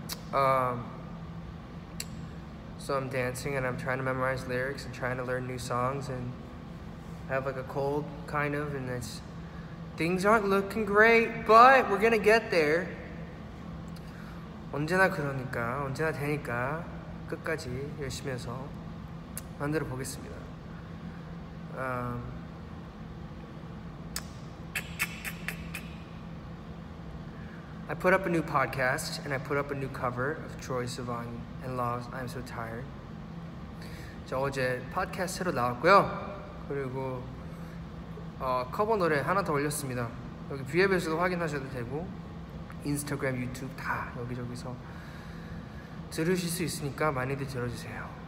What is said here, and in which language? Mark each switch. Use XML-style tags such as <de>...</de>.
<en>So I'm dancing and I'm trying to memorize lyrics and trying to learn new songs and I have like a cold kind of and it's things aren't looking great, but we're gonna get there.</en> <ko>언제나 그러니까 언제나 되니까 끝까지 열심히 해서 만들어 보겠습니다.</ko> <en>아, I put up a new podcast and I put up a new cover of Troye Sivan and Love's I'm So Tired.</en> <ko>저 어제 팟캐스트 새로 나왔고요. 그리고 커버 노래 하나 더 올렸습니다. 여기 뷰앱에서도 확인하셔도 되고 인스타그램, 유튜브 다 여기저기서 들으실 수 있으니까 많이들 들어주세요.</ko>